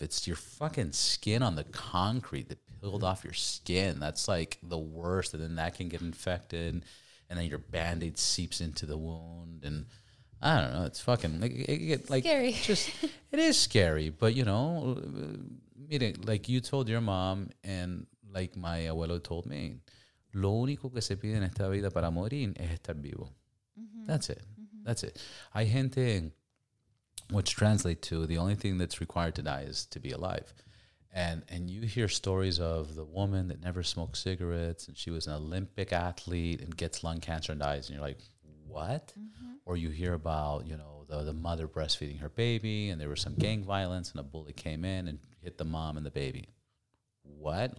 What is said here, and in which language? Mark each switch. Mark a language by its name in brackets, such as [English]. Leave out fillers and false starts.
[English] It's your fucking skin on the concrete that peeled off your skin. That's like the worst. And then that can get infected. And then your Band-Aid seeps into the wound. And I don't know. It's fucking like scary. It is scary. But, you know, meeting, like you told your mom and... like my abuelo told me, [Spanish] lo único que se pide en esta vida para morir es estar vivo. [English] Mm-hmm. That's it. Mm-hmm. That's it. [Spanish] Hay gente, [English] which translates to the only thing that's required to die is to be alive. And you hear stories of the woman that never smoked cigarettes and she was an Olympic athlete and gets lung cancer and dies. And you're like, what? Mm-hmm. Or you hear about, you know, the mother breastfeeding her baby and there was some gang violence and a bullet came in and hit the mom and the baby. What?